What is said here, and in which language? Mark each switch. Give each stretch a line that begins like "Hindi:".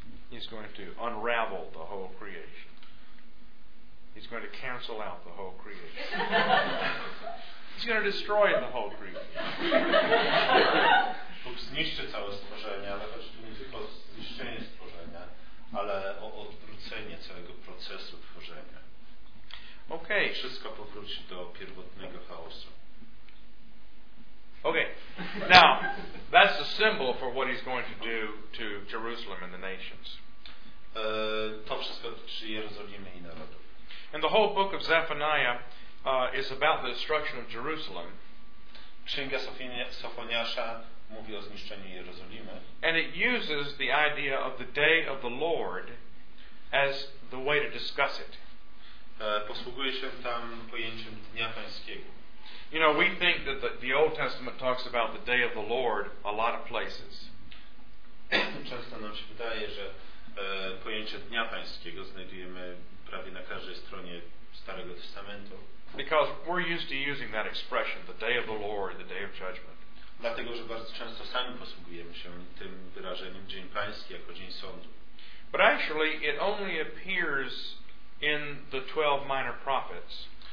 English: He's going to unravel the whole creation. He's going to cancel out the whole creation. He's going to destroy the whole creation.
Polish: Bóg zniszczy całe stworzenie, ale choć tu nie tylko zniszczenie stworzenia, ale o odwrócenie całego procesu tworzenia.
English: Okay.
Polish: Wszystko powróci do pierwotnego chaosu.
English: Okay. Now, that's the symbol for what he's going to do to Jerusalem and the nations.
Polish: To wszystko dotyczy Jerozolimy i narodu.
English: And the whole book of Zephaniah is about the destruction of Jerusalem.
Polish: Księga Sofoniasza mówi o zniszczeniu Jerozolimy.
English: And it uses the idea of the day of the Lord as the way to discuss it.
Polish: Posługuje się tam pojęciem Dnia Pańskiego.
English: You know, we think that the Old Testament talks about the day of the Lord a lot of places.
Polish: Często nam się wydaje, że pojęcie Dnia Pańskiego znajdujemy prawie na każdej stronie Starego Testamentu.
English: Because we're used to using that expression, the day of the Lord, the day of judgment.
Polish: Dlatego, że bardzo często sami posługujemy się tym wyrażeniem Dzień Pański jako Dzień Sądu.
English: But actually it only appears in the 12 minor prophets.